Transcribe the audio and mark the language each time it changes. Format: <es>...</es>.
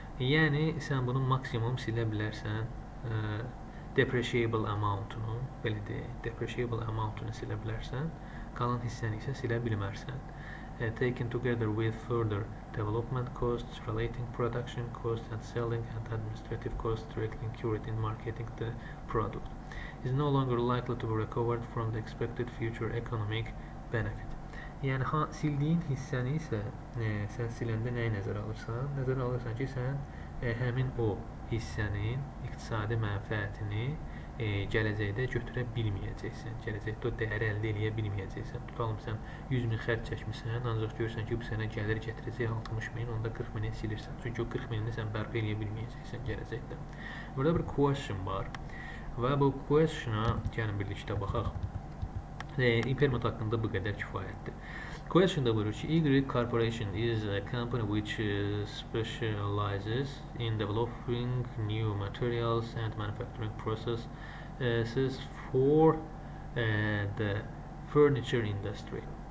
<az>Yəni, sən bunun maksimum silə bilərsən depreciable amount-unu, belə deyək, depreciable amount-unu silə bilərsən, qalan hissəni isə silə bilmərsən.</az> <en>Taken together with further development costs, relating production costs and selling and administrative costs directly incurred in marketing the product is no longer likely to be recovered from the expected future economic benefit.</en> <az>Yəni, sildiyin hissəni isə sən siləndə nəyə nəzər alırsan? Nəzər alırsan ki, sən həmin o hissənin iqtisadi mənfəətini gələcəkdə götürə bilməyəcəksən. Gələcəkdə o dəyəri əldə eləyə bilməyəcəksən. Tutalım, sən 100 min xərc çəkmişsən, ancaq görürsən ki, bu sənə gəlir gətirəcək 60 min, onda 40 minə silirsən. Çünki o 40 minini sən bərpa eləyə bilməyəcəksən gələcəkdə. Burada bir question var. Və bu question-a, gəlin birlikdə baxaq, impairment haqqında bu qədər kifayətdir. Question da buyurur ki,</az> <en>Y Corporation is a company which specializes in developing new materials and manufacturing processes for the furniture industry.</en>